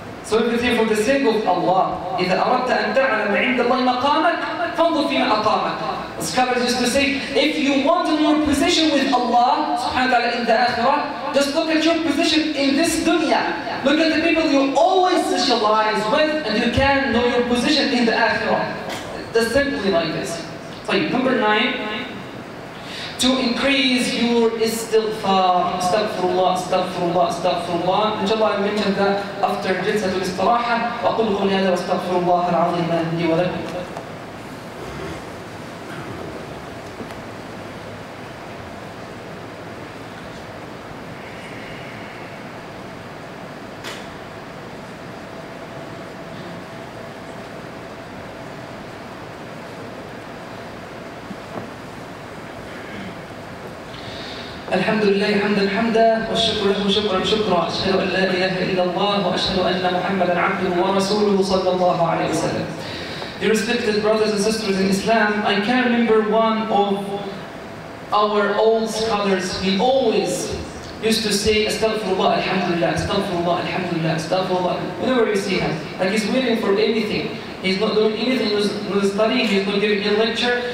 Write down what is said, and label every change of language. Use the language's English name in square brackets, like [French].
[English] So everything for the sake of Allah. [Arabic] إذا أردت أن تعلم عند الله مقامك فانظر فيما أقامك. [English] The scholars used to say, if you want to know your position with Allah subhanahu wa ta'ala in the akhirah, just look at your position in this dunya. Look at the people you always socialize with and you can know your position in the akhirah. Just simply like this. So, number 9, to increase your istighfar. Astaghfirullah, astaghfirullah, astaghfirullah. InshaAllah, I mentioned that after jilsatul istiraha. [Arabic] وَقُلْ قُلْ يَذَا وَاسْتَغْفِرُ اللَّهَ الْعَظِيمَ لِي وَلَكُمْ. الحمد لله حمد الحمد والشكر له شكرا شكرا. أشهد أن لا إله إلا الله وأشهد أن محمدا عبده ورسوله صلى الله عليه وسلم. [English] Dear respected brothers and sisters in Islam, I can remember one of our old scholars. We always used to say Astaghfirullah Alhamdulillah, Astaghfirullah Alhamdulillah, Astaghfirullah. Whenever you see him, like he's waiting for anything. He's not doing anything, he's not studying, he's not giving a lecture.